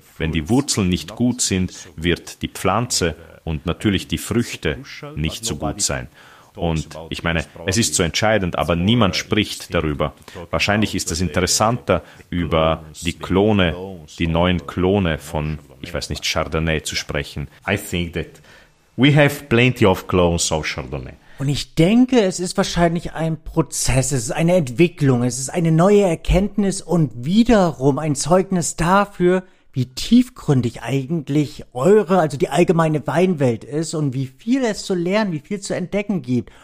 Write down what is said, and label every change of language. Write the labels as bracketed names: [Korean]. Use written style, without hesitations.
[German] Wenn die Wurzeln nicht gut sind, wird die Pflanze und natürlich die Früchte nicht so gut sein. Und ich meine, es ist so entscheidend, aber niemand spricht darüber. Wahrscheinlich ist es interessanter, über die Klone, die neuen Klone von, ich weiß nicht, Chardonnay zu sprechen. [English] I think that we have plenty of clones of Chardonnay. [German] Und ich denke, es ist wahrscheinlich ein Prozess, es ist eine Entwicklung, es ist eine neue Erkenntnis und wiederum ein Zeugnis dafür, wie tiefgründig eigentlich eure, also die allgemeine Weinwelt ist und wie viel es zu lernen, wie viel zu entdecken gibt.